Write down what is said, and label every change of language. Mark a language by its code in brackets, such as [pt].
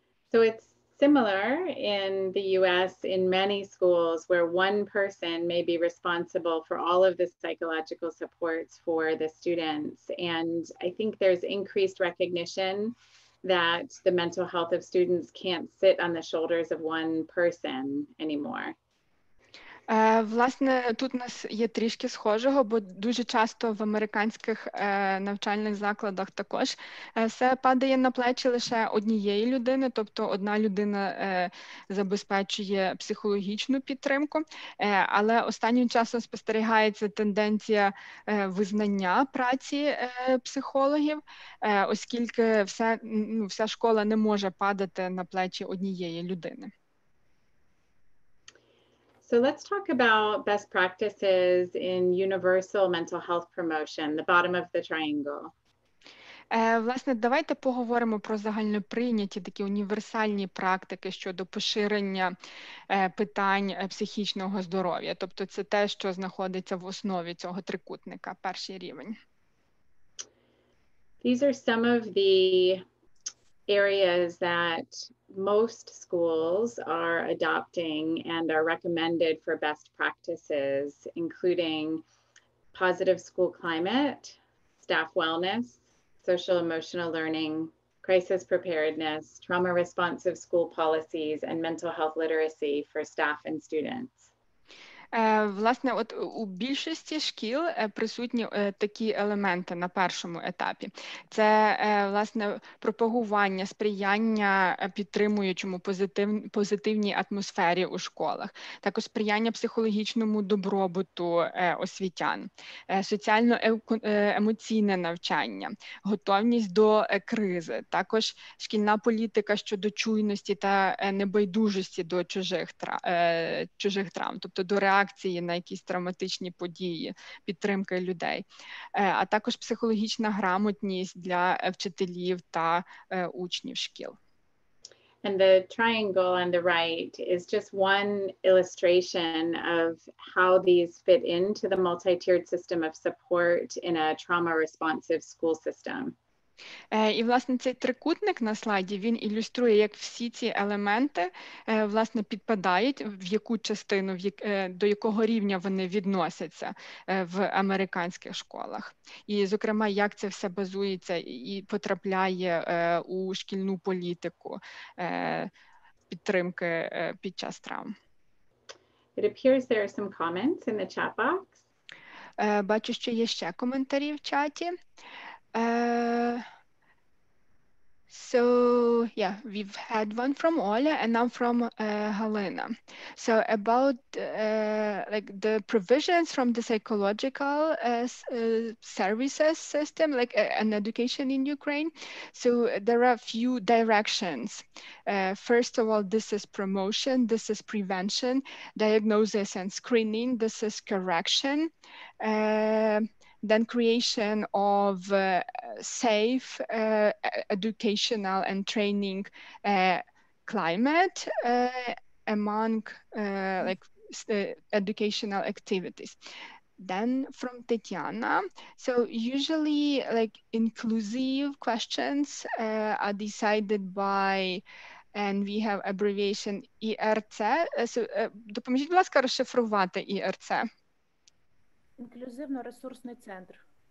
[en] So it's similar in the US in many schools where one person may be responsible for all of the psychological supports for the students. And I think there's increased recognition that the mental health of students can't sit on the shoulders of one person anymore. [uk] Власне, тут у нас є трішки схожого, бо дуже часто в американських навчальних закладах також все падає на плечі лише однієї людини, тобто одна людина забезпечує психологічну підтримку, але останнім часом спостерігається тенденція визнання праці психологів, оскільки вся школа не може падати на плечі однієї людини. [en] So let's talk about best practices in universal mental health promotion, the bottom of the triangle. [uk] Власне, давайте поговоримо про загальноприйняті такі універсальні практики щодо поширення питань психічного здоров'я. Тобто це те, що знаходиться в основі цього трикутника, перший рівень. [en] These are some of the areas that most schools are adopting and are recommended for best practices, including positive school climate, staff wellness, social emotional learning, crisis preparedness, trauma responsive school policies, and mental health literacy for staff and students. [uk] Власне, от у більшості шкіл присутні такі елементи на першому етапі. Це, власне, пропагування, сприяння підтримуючому позитивній атмосфері у школах, також сприяння психологічному добробуту освітян, соціально-емоційне навчання, готовність до кризи, також шкільна політика щодо чуйності та небайдужості до чужих травм, тобто до реакції на якісь травматичні події, підтримки людей, а також психологічна грамотність для вчителів та учнів шкіл. [en] And the triangle on the right is just one illustration of how these fit into the multi-tiered system of support in a trauma-responsive school system. [uk] І, власне, цей трикутник на слайді, він ілюструє, як всі ці елементи, власне, підпадають в яку частину, в як, до якого рівня вони відносяться в американських школах. І, зокрема, як це все базується і потрапляє у шкільну політику підтримки під час травм. [en] It appears there are some comments in the chat box. [uk] Бачу, що є ще коментарі в чаті. [en] So, yeah, we've had one from Оля and now from Галина. So about like the provisions from the psychological services system, like an education in Ukraine. So there are a few directions. First of all, this is promotion, this is prevention, diagnosis and screening, this is correction. Then creation of safe educational and training climate among like educational activities. Then from Tetiana, so usually like inclusive questions are decided by, and we have abbreviation ERC. [uk] So допоможіть, будь ласка, розшифрувати ERC. Інклюзивно-ресурсний центр.